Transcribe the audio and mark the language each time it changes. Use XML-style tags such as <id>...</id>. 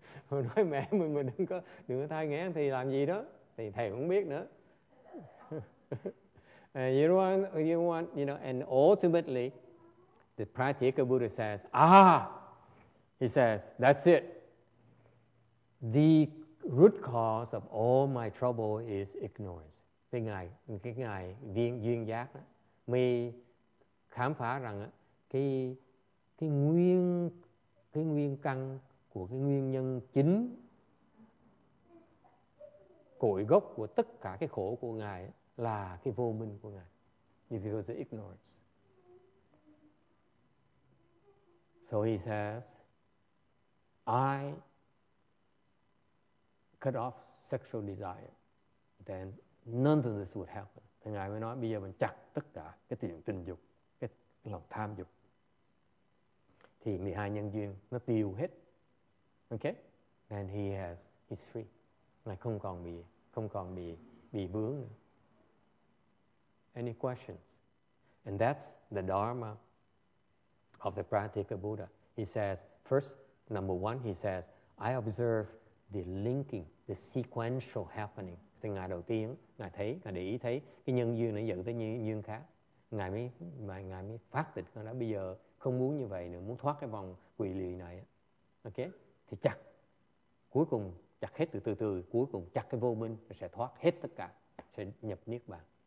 <vi>Mình nói mẹ mình đừng có thai nghén thì làm gì đó thì thầy không biết nữa.</vi> <en>You know, and ultimately, the Pratyeka Buddha says, ah, he says, that's it. The root cause of all my trouble is ignorance.</en> <vi>Cái ngài viên giác đó, mới khám phá rằng cái nguyên căn của cái nguyên nhân chính cội gốc của tất cả cái khổ của ngài đó, là cái vô minh của ngài,</vi> <en>because of ignorance. So he says, I cut off sexual desire, then none of this would happen.</en> <vi>Thì ngài mới nói bây giờ mình chặt tất cả cái thiện tình dục, cái lòng tham dục, thì 12 nhân duyên nó tiêu hết.</vi> <en>Okay? And he's free.</en> <vi>Ngài không còn bị vướng nữa.</vi> <en>Any questions? And that's the Dharma of the Pratyeka Buddha. He says, first, number one, he says, I observe the linking, the sequential happening.</en> <vi>Thì ngày đầu tiên, ngài thấy, ngài để ý thấy cái nhân duyên nó dẫn tới nhân khác. Ngài mới phát tịch, ngài nói bây giờ không muốn như vậy nữa, muốn thoát cái vòng quỷ lì này. Ok? Thì chặt. Cuối cùng, chặt hết từ từ, cuối cùng chặt cái vô minh, rồi sẽ thoát hết tất cả, sẽ nhập Niết Bàn.</vi>